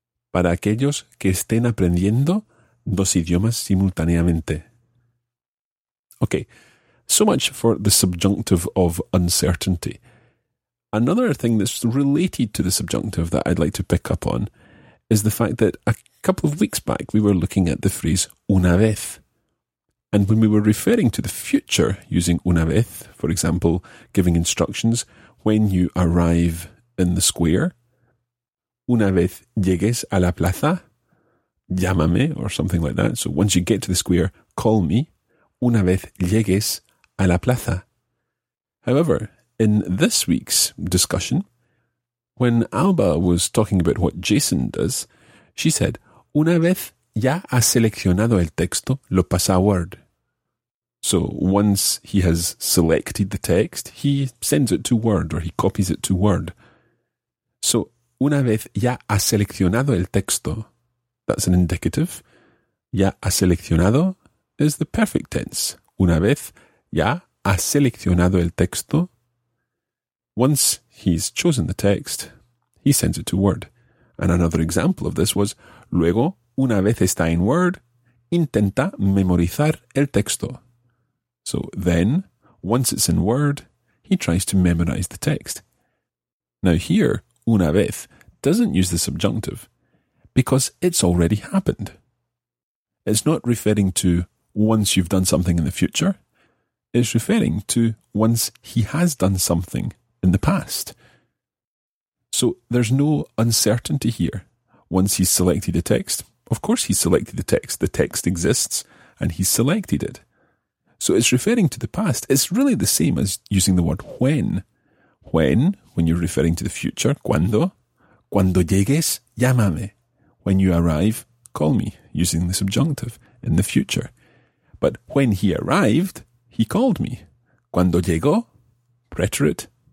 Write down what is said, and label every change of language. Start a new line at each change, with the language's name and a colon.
Spanish: Para aquellos que estén aprendiendo dos idiomas simultáneamente.
English: Okay, so much for the subjunctive of uncertainty. Another thing that's related to the subjunctive that I'd like to pick up on is the fact that a couple of weeks back we were looking at the phrase una vez. And when we were referring to the future using una vez, for example, giving instructions when you arrive in the square, una vez llegues a la plaza, llámame, or something like that. So once you get to the square, call me.
Spanish: Una vez llegues a la plaza.
English: However, in this week's discussion, when Alba was talking about what Jason does, she said, una vez ya ha seleccionado el texto, lo pasa a Word. So once he has selected the text, he sends it to Word, or he copies it to Word. So una vez ya ha seleccionado el texto, that's an indicative. Ya ha seleccionado is the perfect tense.
Spanish: Una vez ya ha seleccionado el texto.
English: Once he's chosen the text, he sends it to Word. And another example of this was, luego, una vez está en Word, intenta memorizar el texto. So then, once it's in Word, he tries to memorize the text. Now here, una vez doesn't use the subjunctive because it's already happened. It's not referring to once you've done something in the future. It's referring to once he has done something in the past. So there's no uncertainty here. Once he's selected a text, of course he's selected the text. The text exists and he's selected it. So it's referring to the past. It's really the same as using the word when. When you're referring to the future, cuando.
Spanish: Cuando llegues, llámame.
English: When you arrive, call me, using the subjunctive, in the future. But when he arrived, he called me.
Spanish: Cuando llegó, preterite.